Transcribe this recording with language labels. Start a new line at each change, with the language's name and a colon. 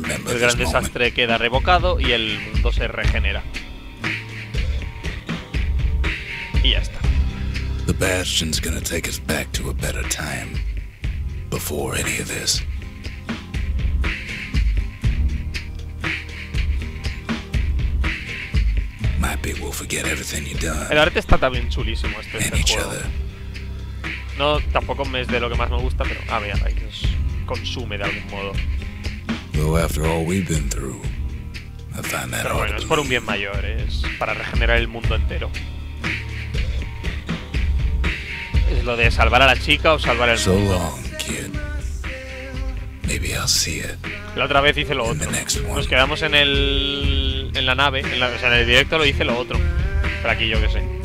Spanish: El gran desastre queda revocado y el mundo se regenera. Y ya está.
English: The Bastion's gonna take us back to a better time before any of this. Might be we'll forget everything you've done.
Spanish: El arte está también chulísimo este, este juego. Other. No, tampoco es de lo que más me gusta, pero a ver, ahí nos consume de algún modo.
English: Though after all we've been through, I find that
Spanish: pero bueno, es por un bien mayor, es para regenerar el mundo entero. Es lo de salvar a la chica o salvar el mundo.
English: So long, kid. Maybe I'll see it.
Spanish: La otra vez hice lo otro. Nos quedamos en el en la nave, en la, o sea, en el directo lo hice lo otro. Pero aquí yo qué sé.